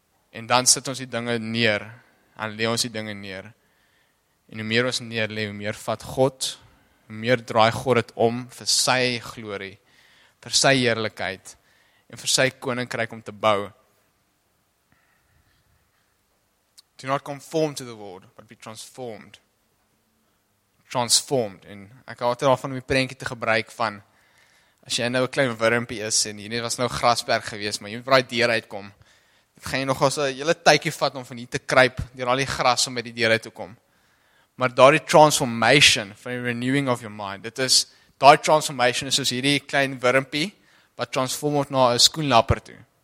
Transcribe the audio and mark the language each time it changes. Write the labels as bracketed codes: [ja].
[af] En dan sit ons die dinge neer. Dan lê ons die dinge neer. En hoe meer ons neer lê, hoe meer vat God, hoe meer draai God het om vir sy glorie, vir sy heerlikheid en vir sy koninkryk om te bou. [en] Do not conform to the world, but be transformed. Transformed. [af] En ek hou altyd daarvan om die prentjie te gebruik van, as jy nou 'n klein wurmpie is, en hier was nou grasberg gewees, maar jy moet by die deur uitkom, dit gaan jy nog as 'n hele tydjie vat om van hier te kruip, deur al die gras om by die deur uit te kom. Maar daar die transformation, van die [en] renewing of your mind, [af] dit is, daar die transformation is soos hierdie klein wurmpie, wat transform word na 'n skoenlapper toe.